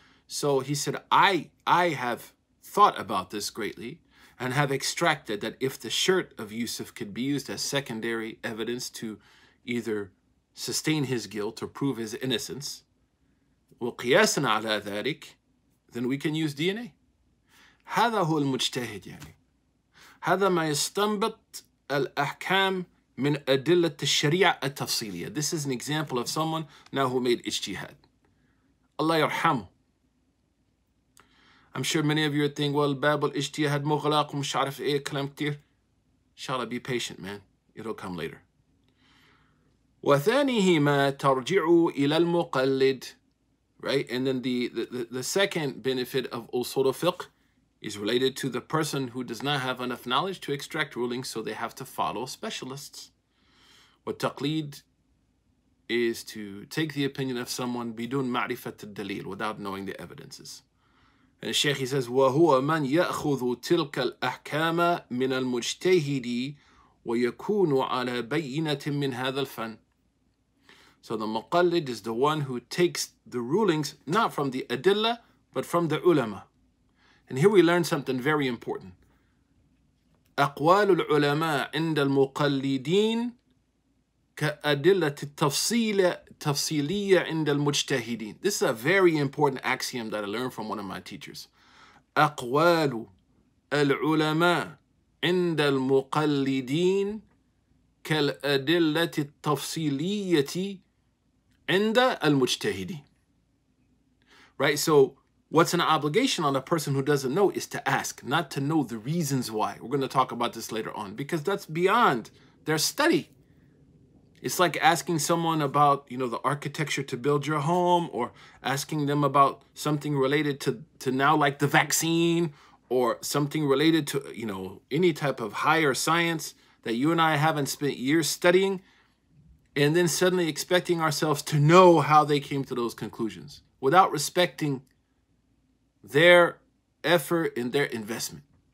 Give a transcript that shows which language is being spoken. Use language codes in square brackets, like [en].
[en] So he said, I have thought about this greatly and have extracted that if the shirt of Yusuf could be used as secondary evidence to either sustain his guilt or prove his innocence, [ar] وقياسنا على ذلك, [en] then we can use DNA. [ar] هذا هو المجتهد يعني. هذا ما يستنبط الأحكام من أدلة الشريعة التفصيلية. [en] This is an example of someone now who made ijtihad. [ar] الله يرحمه. [en] I'm sure many of you are thinking, well, [ar] باب الاجتهاد مغلق ومش عارف ايه كلام كتير. [en] Inshallah, be patient, man. It'll come later. [ar] وثانيهما ترجع إلى المقلد. [en] Right? And then the second benefit of أصول الفقه is related to the person who does not have enough knowledge to extract rulings, so they have to follow specialists. What taqlid is to take the opinion of someone [ar] bidun ma'rifat al-dalil, [en] without knowing the evidences. And Sheikh, he says, [ar] وَهُوَ مَنْ يَأْخُذُ تِلْكَ الْأَحْكَامَ مِنَ الْمُجْتَهِدِ وَيَكُونُ عَلَى بَيِّنَةٍ مِنْ هَذَا الْفَنِ. [en] So the muqalid is the one who takes the rulings, not from the adilla, but from the ulama. And here we learn something very important. [ar] أقوال العلماء عند المقلدين كأدلة التفصيلية عند المجتهدين. [en] This is a very important axiom that I learned from one of my teachers. [ar] أقوال العلماء عند المقلدين كالأدلة التفصيلية عند المجتهدين. [en] Right, so what's an obligation on a person who doesn't know is to ask, not to know the reasons why. We're going to talk about this later on, because that's beyond their study. It's like asking someone about, you know, the architecture to build your home, or asking them about something related to now, like the vaccine, or something related to, you know, any type of higher science that you and I haven't spent years studying, and then suddenly expecting ourselves to know how they came to those conclusions without respecting their effort and their investment.